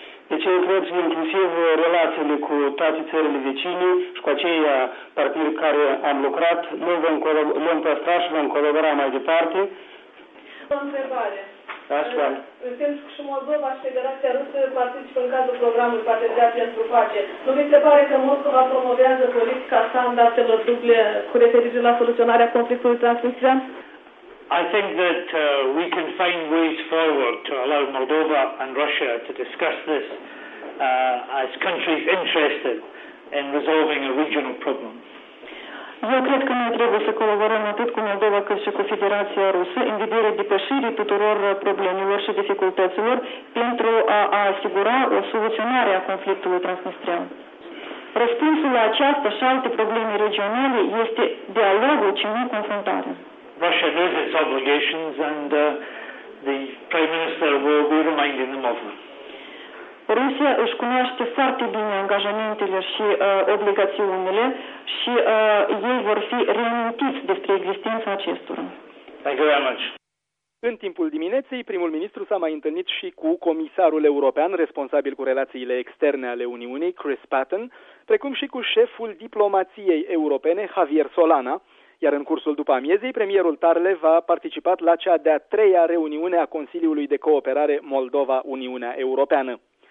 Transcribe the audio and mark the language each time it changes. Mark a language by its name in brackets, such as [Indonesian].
[Romanian] Deci, cred că inclusiv relațiile cu toate țările vecine și cu aceia partiri care am lucrat, noi vom păstra și vom colabora mai departe. O întrebare. Așa. Pentru că și Moldova și Federația Rusă participă în cadrul programului Parteneriat pentru Pace. Nu mi se pare că Moscova promovează politica sa în datele duble cu referire la soluționarea conflictului transnistrian? [English] I think that we can find ways forward to allow Moldova and Russia to discuss this as countries interested in resolving a regional problem. [Romanian] Eu cred că noi trebuie să colaborăm atât cu Moldova cât și cu Federația Rusă în vederea depășirii tuturor problemelor și dificultăților pentru a asigura o soluționare a conflictului transnistrian. Răspunsul la aceasta și alte probleme regionale este dialogul și nu confruntarea. [English] Russia knows its obligations and the Prime Minister will be reminding them of them. [Romanian] Rusia își cunoaște foarte bine angajamentele și obligațiunile și ei vor fi reamintiți despre existența acestora. [English] Thank you very much. [Romanian] În timpul dimineții, primul ministru s-a mai întâlnit și cu comisarul european responsabil cu relațiile externe ale Uniunii, Chris Patten, precum și cu șeful diplomației europene, Javier Solana, iar în cursul după amiezei, premierul Tarlev a participat la cea de-a treia reuniune a Consiliului de Cooperare Moldova-Uniunea Europeană.